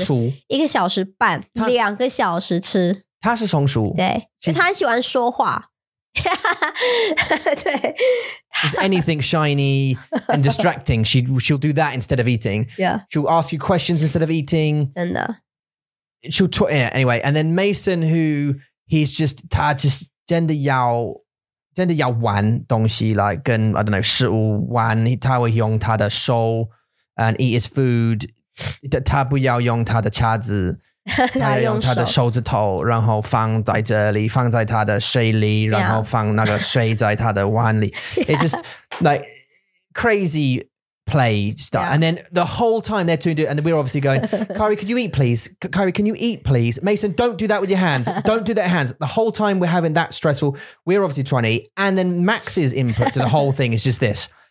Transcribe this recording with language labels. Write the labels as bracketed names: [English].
[Chinese] 就是你要等大概一个小时半，两个小时吃。她是松鼠。对，她很喜欢说话。 [English] Just anything shiny and distracting, she'll do that instead of eating. Yeah. She'll ask you questions instead of eating. And she'll talk, yeah, anyway. And then Mason, who he's just, [Chinese] 他就是真的要玩东西, [English] like, 跟, I don't know, [Chinese] 食物玩, 他会用他的手 [English] and eat his food. [Chinese] 他不要用他的叉子, 他用他的手指头然后放在这里放在他的水里然后放那个水在他的碗里 [English] yeah. It's just like crazy play stuff yeah. And then the whole time they're tuned to it and we're obviously going, Kyrie, could you eat please? Kyrie, can you eat please? Mason, don't do that with your hands. Don't do that with hands. The whole time we're having that stressful, we're obviously trying to eat, and then Max's input to the whole thing is just this.